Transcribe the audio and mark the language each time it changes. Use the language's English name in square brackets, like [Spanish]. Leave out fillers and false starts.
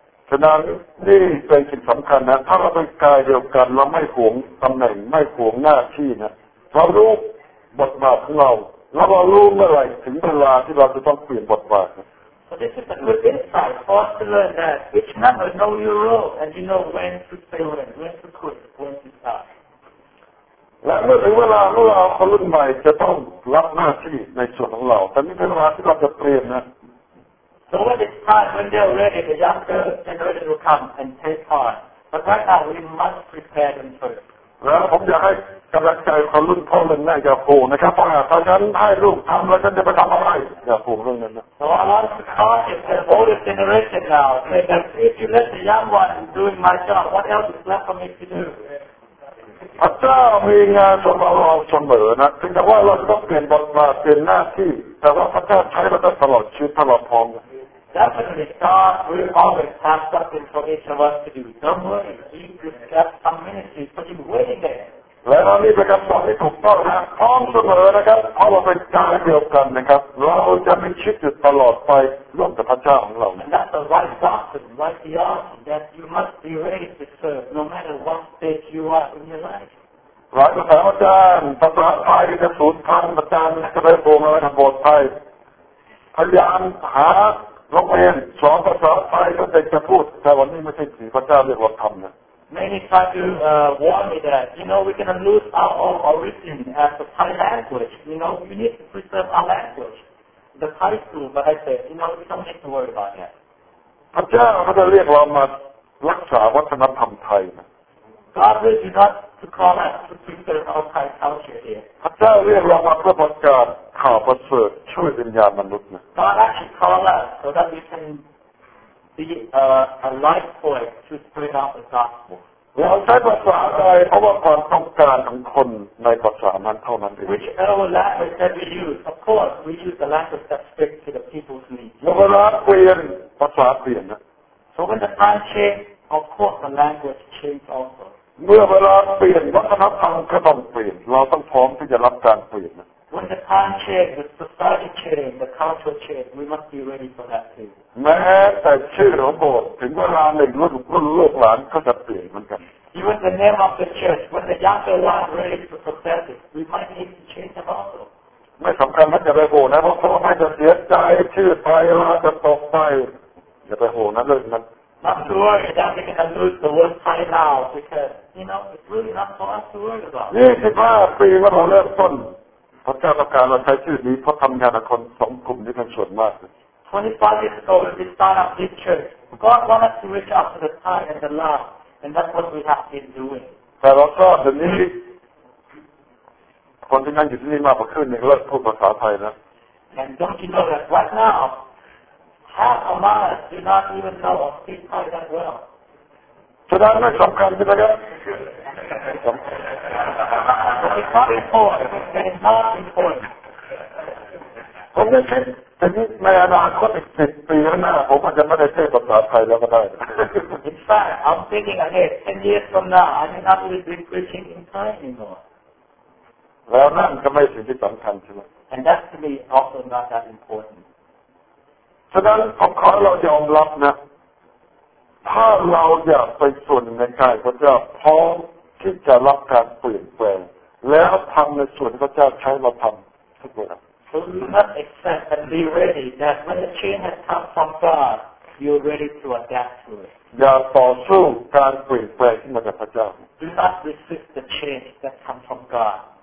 [Thai] ฉะนั้นนี่เป็นสิ่งสำคัญนะถ้าเราเป็นกายเดียวกันเราไม่หวงตำแหน่งไม่หวงหน้าที่นะเรารู้บทบาทของเราแล้วเรารู้เมื่อไรถึงเวลาที่เราจะต้องเปลี่ยนบทบาท [English] But this is a good insight for us to learn that each number know your role and you know when to fail and when to quit, when to stop. [Thai] และเมื่อเวลาเราคนรุ่นใหม่จะต้องรับหน้าที่ในส่วนของเราแต่นี่เป็นเวลาที่เราจะเตรีย มนะ [English] So when it's time when they're ready, the younger generation will come and take part. But right now we must prepare them first. [Thai] แล้วผมอยากให้กำลังใจคนรุ่นพ่อรุ่นแม่อย่าโผล่นะครับเพราะฉะนั้นให้ลูกทำแล้วฉันจะไปทำอะไรอย่าโผล่เรื่องนั้นนะ [English] So I want to call it the older generation now. Say that if you let the young one do my job, what else is left for me to do? [Thai] พระเจ้ามีงานสำหรับเราเสมอนะถึงแต่ว่าเราต้องเปลี่ยนบทบาทเปลี่ยนหน้าที่แต่ว่าพระเจ้าใช้เราตลอดชีวิตตลอดพรอง [English] Definitely, God will always have something for each of us to do. Don't worry, He could have some ministry for you waiting there. [Thai] และนี่เป็นคำตอบที่ถูกต้องนะพร้อมเสมอนะครับเพราะเราเป็นกายเดียวกันนะครับเราจะมีชีวิตตลอดไปร่วมกับพระเจ้าของเรา และนั่นคือ [English] right doctrine right theology that you must be ready to serve no matter what stage you are in your life [Thai] หลายคนถามอาจารย์ภาษาไทยจะสูญพันธุ์อาจารย์จะได้โกงอะไรทางบทไทยพยายามหาโรงเรียนสอนภาษาไทยก็จะพูดแต่วันนี้ไม่ใช่สิพระเจ้าเรียกว่าธรรมนะ [English] Many try to warn me that, you know, we're going to lose our own origin as a Thai language. You know, we need to preserve our language. The Thai school, but I said, you know, we don't need to worry about that. [Thai] พระเจ้าจะเรียกเรามารักษาวัฒนธรรมไทยนะ [English] God will do not to call us to preserve our Thai culture here. [Thai] พระเจ้าเรียกเรามาเพื่อประกาศข่าวประเสริฐช่วยวิญญาณมนุษย์นะ [English] God actually call us so that we can... be a light point to spread out the gospel. We have to ask why, because of the need of the people in that language. Which language that we use? Of course, we use the language that speaks to the people's need. When the time changes, of course, the language changes also. When the time changes, the society changes, the culture changes, we must be ready for that too. [Thai] แม้แต่ชื่อของโบสถ์ถึงเวลาหนึ่งรุ่นลูกหลานก็จะเปลี่ยนเหมือนกัน [English] Even the name of the church, when the younger one ready to profess it, we might need to change the gospel. [Thai] ไม่สำคัญนะอย่าไปโหนะเพราะพ่อแม่จะเสียใจชื่อไปแล้วจะตกไปอย่าไปโหนะเรื่องนั้น [English] Not to worry, that we're gonna lose the word "Thai" now because you know it's really not for us to worry about. [Thai] 25ปีมาเราเริ่มต้นพระเจ้าประการเราใช้ชื่อนี้เพราะทำงานกับคนสองกลุ่มนี้เป็นส่วนมาก [English] 25 years ago, when we started up this church, God wanted us to reach out to the Thai and the Lao, and that's what we have been doing. But also, the people who are here today are going to speak Thai again. And don't you know that right now, half of us do not even know or speak Thai that well. So that's not important, isn't it? But it's not important. It's not important. I'm going to say... [Thai] ในอนาคตอีก10ปีข้างหน้าผมอาจจะไม่ได้เทศภาษาไทยแล้วก็ได้ [English] In fact, I'm thinking ahead 10 years from now, I may not really be preaching in Thai anymore. [Thai] แล้วนั่นก็ไม่สิ่งที่สำคัญใช่ไหม [English] And that to me also not that important. [Thai] ฉะนั้นผมขอเรายอมรับนะถ้าเราอยากไปส่วนในกายพระเจ้าพร้อมที่จะรับการเปลี่ยนแปลงแล้วทำในส่วนที่พระเจ้าใช้เราทำทุกอย่าง [English] So you must accept and be ready that when the change has come from God, you're ready to adapt to it. Do not resist the change that comes from God.